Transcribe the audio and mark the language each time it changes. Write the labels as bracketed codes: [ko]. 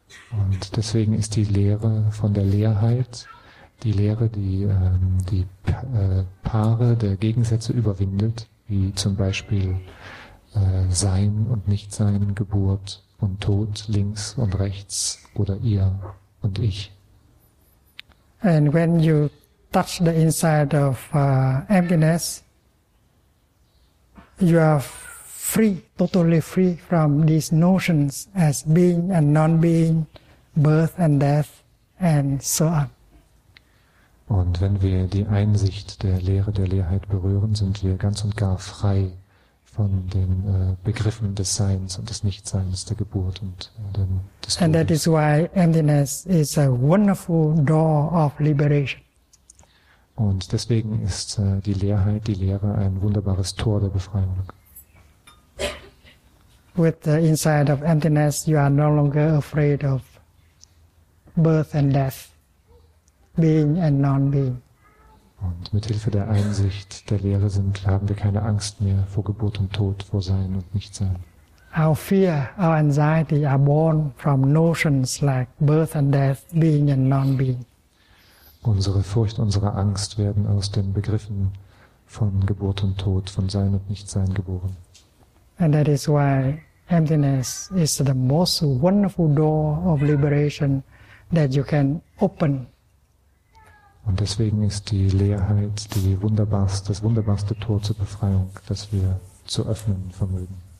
[de] Und deswegen ist die Lehre von der Leerheit die Lehre, die die Paare der Gegensätze überwindet, wie zum Beispiel Sein und Nichtsein, Geburt, und Tod links und rechts oder ihr und ich. [en] And when you touch the inside of emptiness, you are free, totally free from these notions as being and non-being, birth and death, and so on. [de] Und wenn wir die Einsicht der Lehre der Leerheit berühren, sind wir ganz und gar frei von den Begriffen des Seins und des Nichtseins, der Geburt und des Todes. [en] And that is why emptiness is a wonderful door of liberation. [de] Und deswegen ist die Leerheit, die Leere, ein wunderbares Tor der Befreiung. [en] With the inside of emptiness, you are no longer afraid of birth and death, being and non-being. [de] Und mit Hilfe der Einsicht der Leere haben wir keine Angst mehr vor Geburt und Tod, vor Sein und Nichtsein. [en] Our fear, our anxiety are born from notions like birth and death, being and non-being. [de] Unsere Furcht, unsere Angst werden aus den Begriffen von Geburt und Tod, von Sein und Nichtsein geboren. [en] And that is why emptiness is the most wonderful door of liberation that you can open. [de] Und deswegen ist die Leerheit das wunderbarste Tor zur Befreiung, das wir zu öffnen vermögen.